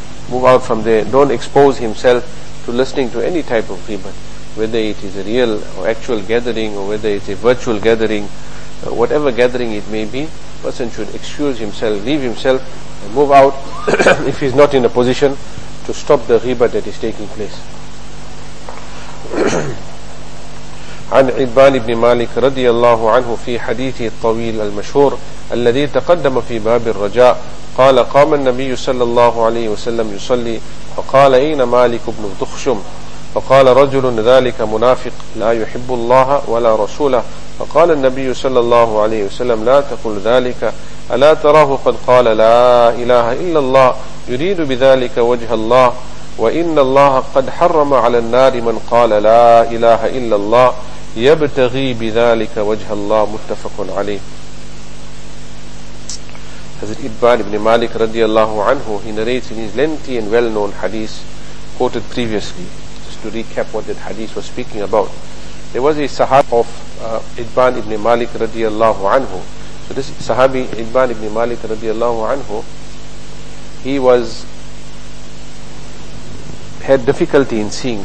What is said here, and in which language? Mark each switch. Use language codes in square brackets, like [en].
[en] Move out from there. Don't expose himself to listening to any type of ghibat, whether it is a real or actual gathering or whether it's a virtual gathering, whatever gathering it may be. Person should excuse himself, leave himself, and move out if he's not in a position to stop the ghibat that is taking place. [ar] عن عبان بن مالك رضي الله عنه في حديثه الطويل المشهور الذي تقدم في باب الرجاء قال قام النبي صلى الله عليه وسلم يصلي فقال أين مالك بن دخشم فقال رجل ذلك منافق لا يحب الله ولا رسوله فقال النبي صلى الله عليه وسلم لا تقل ذلك ألا تراه قد قال لا إله إلا الله يريد بذلك وجه الله وإن الله قد حرم على النار من قال لا إله إلا الله يبتغي بذلك وجه الله متفق عليه. [en] حضرت إبان بن مالك رضي الله عنه, he narrates in his lengthy and well-known hadith quoted previously. Just to recap what that hadith was speaking about, there was a sahabi of Idban ibn Malik radiallahu anhu. So this sahabi Idban ibn Malik radiallahu anhu, had difficulty in seeing.